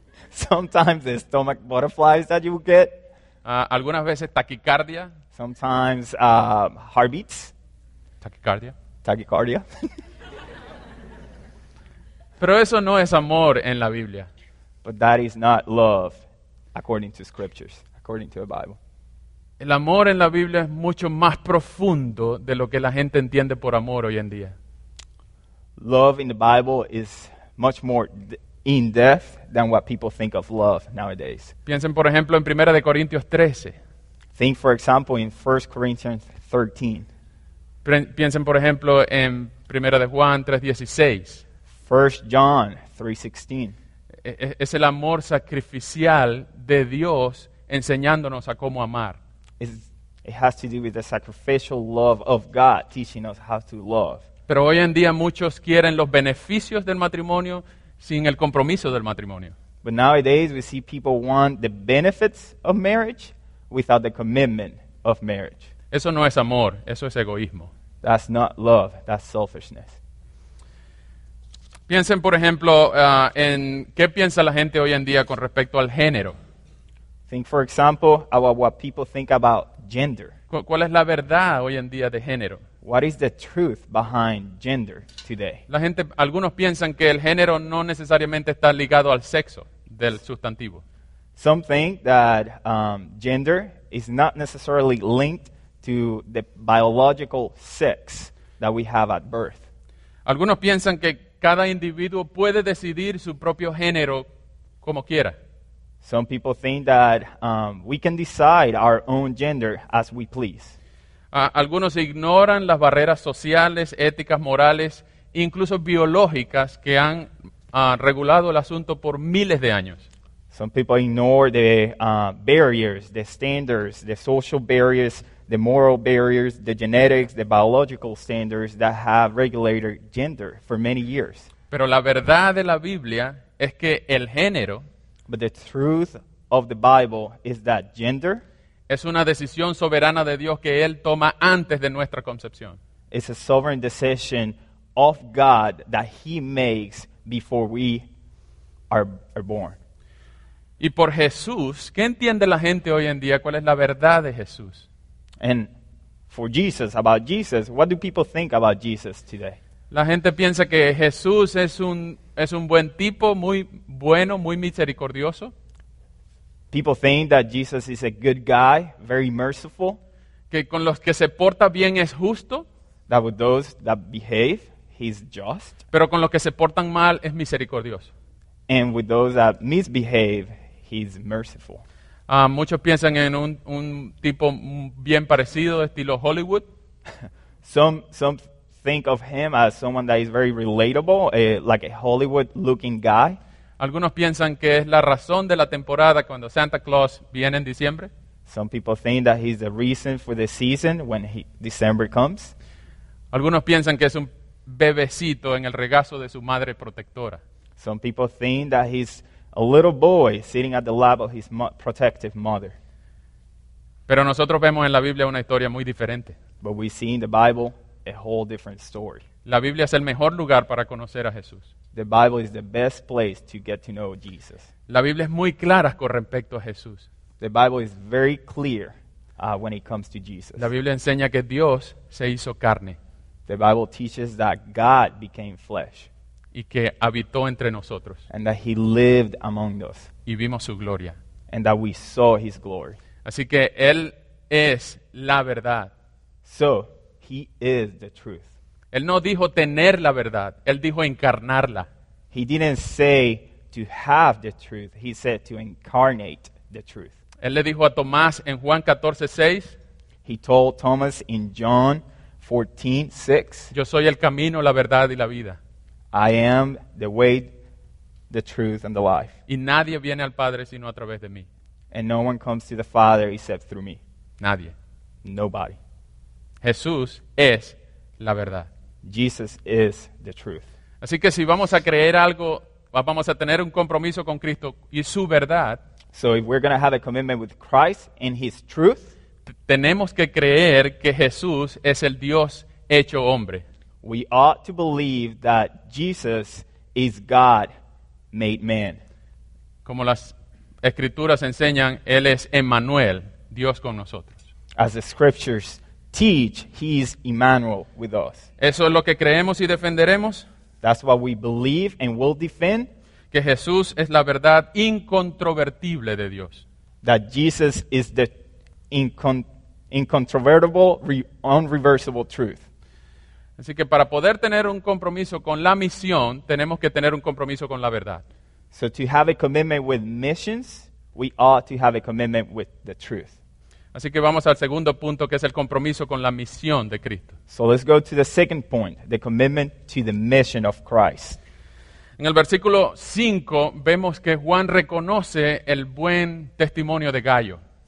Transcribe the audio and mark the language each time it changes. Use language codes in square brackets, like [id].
[en] Sometimes the stomach butterflies that you get. [es] Algunas veces taquicardia. [en] Sometimes heartbeats. [es] Taquicardia. Pero eso no es amor en la Biblia. [en] But that is not love according to scriptures, according to the Bible. [es] El amor en la Biblia es mucho más profundo de lo que la gente entiende por amor hoy en día. [en] Love in the Bible is much more in depth than what people think of love nowadays. [es] Piensen, por ejemplo, en 1 Corintios 13. [en] Think, for example, in 1 Corinthians 13. [es] Piensen, por ejemplo, en 1 Juan 3:16. [en] 1 John 3:16. [es] Es el amor sacrificial de Dios enseñándonos a cómo amar. [en] It has to do with the sacrificial love of God teaching us how to love. [es] Pero hoy en día muchos quieren los beneficios del matrimonio sin el compromiso del matrimonio. [en] But nowadays we see people want the benefits of marriage without the commitment of marriage. [es] Eso no es amor, eso es egoísmo. [en] That's not love, that's selfishness. [es] Piensen, por ejemplo, en qué piensa la gente hoy en día con respecto al género. [en] Think, for example, about what people think about gender. [es] ¿Cuál es la verdad hoy en día de género? [en] What is the truth behind gender today? [es] La gente, algunos piensan que el género no necesariamente está ligado al sexo del sustantivo. [en] Some think that gender is not necessarily linked to the biological sex that we have at birth. [es] Algunos piensan que cada individuo puede decidir su propio género como quiera. [en] Some people think that we can decide our own gender as we please. [es] Algunos ignoran las barreras sociales, éticas, morales, incluso biológicas que han regulado el asunto por miles de años. [en] Some people ignore the barriers, the standards, the social barriers, the moral barriers, the genetics, the biological standards that have regulated gender for many years. [es] Pero la verdad de la Biblia es que el género, [en] but the truth of the Bible is that gender [es] es una decisión soberana de Dios que Él toma antes de nuestra concepción. [en] It's a sovereign decision of God that He makes before we are born. [es] Y por Jesús, ¿qué entiende la gente hoy en día? ¿Cuál es la verdad de Jesús? [en] And for Jesus, about Jesus, what do people think about Jesus today? [es] La gente piensa que Jesús es un buen tipo, muy bueno, muy misericordioso. [en] People think that Jesus is a good guy, very merciful. [es] Que con los que se porta bien es justo. [en] That with those that behave, he's just. [es] Pero con los que se portan mal es misericordioso. [en] And with those that misbehave, he's merciful. [es] Muchos piensan en un tipo bien parecido, estilo Hollywood. [en] Some think of him as someone that is very relatable, like a Hollywood-looking guy. [es] Algunos piensan que es la razón de la temporada cuando Santa Claus viene en diciembre. [en] Some people think that he's the reason for the season when December comes. [es] Algunos piensan que es un bebecito en el regazo de su madre protectora. [en] Some people think that he's a little boy sitting at the lap of his protective mother. [es] Pero nosotros vemos en la Biblia una historia muy diferente. [en] But we see in the Bible a whole different story. [es] La Biblia es el mejor lugar para conocer a Jesús. [en] The Bible is the best place to get to know Jesus. [es] La Biblia es muy clara con respecto a Jesús. [en] The Bible is very clear when it comes to Jesus. [es] La Biblia enseña que Dios se hizo carne. [en] The Bible teaches that God became flesh. [es] Y que habitó entre nosotros. [en] And that he lived among us. [es] Y vimos su gloria. [en] And that we saw his glory. [es] Así que él es la verdad. [en] So, he is the truth. [es] Él no dijo tener la verdad, él dijo encarnarla. [en] He didn't say to have the truth, he said to incarnate the truth. [es] Él le dijo a Tomás en Juan 14:6. [en] He told Thomas in John 14:6. [es] Yo soy el camino, la verdad y la vida. [en] I am the way, the truth, and the life. [es] Y nadie viene al Padre sino a través de mí. [en] And no one comes to the Father except through me. [es] Nadie. [en] Nobody. [es] Jesús es la verdad. [en] Jesus is the truth. [es] Así que si vamos a creer algo, vamos a tener un compromiso con Cristo y su verdad. [en] So if we're going to have a commitment with Christ and his truth, [es] tenemos que creer que Jesús es el Dios hecho hombre. [en] We ought to believe that Jesus is God made man. [es] Como las escrituras enseñan, él es Emmanuel, Dios con nosotros. [en] As the scriptures teach, he is Emmanuel with us. [es] Eso es lo que creemos y defenderemos. [en] That's what we believe and will defend. [es] Que Jesús es la verdad incontrovertible de Dios. [en] That Jesus is the incontrovertible, unreversible truth. [es] Así que para poder tener un compromiso con la misión, tenemos que tener un compromiso con la verdad. [en] So to have a commitment with missions, we ought to have a commitment with the truth. [es] Así que vamos al segundo punto, que es el compromiso con la misión de Cristo. [en] So let's go to the second point, the commitment to the mission of Christ. [es] En el versículo 5 vemos que Juan reconoce el buen testimonio de Gallo.